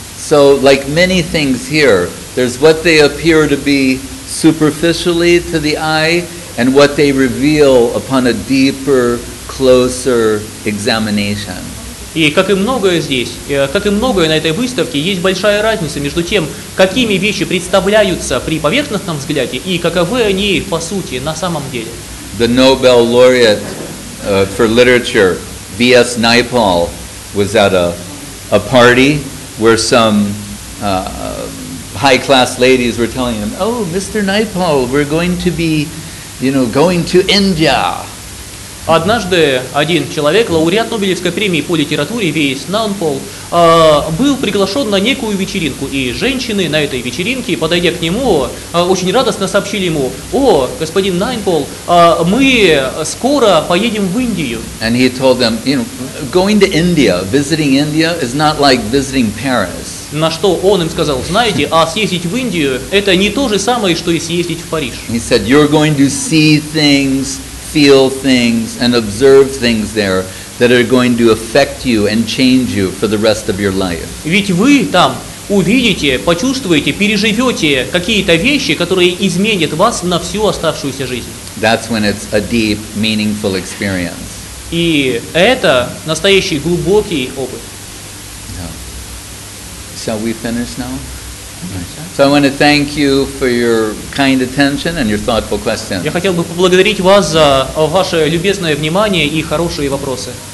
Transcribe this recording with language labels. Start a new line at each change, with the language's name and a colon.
English: So, like many things here, there's what they appear to be superficially to the eye, and what they reveal upon a deeper, closer examination.
Russian: И как и многое здесь, как и многое на этой выставке, есть большая разница между тем, какими вещи представляются при поверхностном взгляде и каковы они по сути на самом деле.
English: The Nobel laureate for literature, V.S. Naipaul, was at a party where some high-class ladies were telling him, "Oh, Mr. Naipaul, we're going to be, you know, going to India."
Russian: Однажды один человек, лауреат Нобелевской премии по литературе V.S. Naipaul, был приглашен на некую вечеринку, и женщины на этой вечеринке, подойдя к нему, очень радостно сообщили ему: «О, господин Naipaul, мы скоро поедем в Индию».
English: And he told them, you know, going to India, visiting India is not like visiting Paris.
Russian: На что он им сказал: «Знаете, а съездить в Индию – это не то же самое, что и съездить в Париж».
English: He said, you're going to see things, feel things, and observe things there that are going to affect you and change you for the rest of your life.
Russian: Ведь вы там увидите, почувствуете, переживете какие-то вещи, которые изменят вас на всю оставшуюся жизнь.
English: That's when it's a deep, meaningful experience. И это настоящий глубокий опыт. Shall we finish now? So I want to thank you for your kind attention and your thoughtful questions.
Russian: Я хотел бы поблагодарить вас за ваше любезное внимание и хорошие вопросы.